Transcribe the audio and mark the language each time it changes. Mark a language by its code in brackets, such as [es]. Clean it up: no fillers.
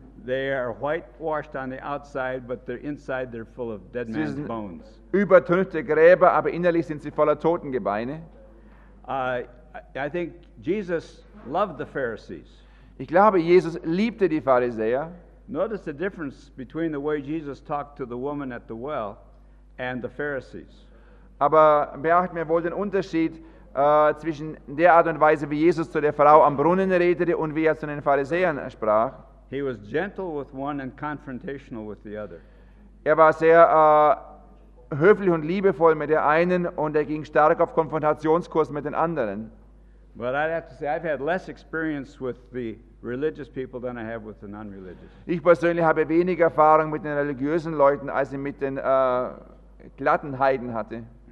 [en] They are whitewashed on the outside, but they're inside they're full of dead man's bones. [de] Übertünchte Gräber, aber innerlich sind sie voller Totengebeine. [en] I think Jesus loved the Pharisees. [de] Ich glaube, Jesus liebte die Pharisäer. [en] Notice the difference between the way Jesus talked to the woman at the well and the Pharisees. [de] Aber beachten wir wohl den Unterschied zwischen der Art und Weise, wie Jesus zu der Frau am Brunnen redete und wie er zu den Pharisäern sprach. [en] He was gentle with one and confrontational with the other. [de] Er war sehr höflich und liebevoll mit der einen und er ging stark auf Konfrontationskurs mit den anderen. [en] But I'd have to say I've had less experience with the religious people than I have with the non-religious. [de] Ich persönlich habe weniger Erfahrung mit den religiösen Leuten als ich mit den glatten Heiden hatte.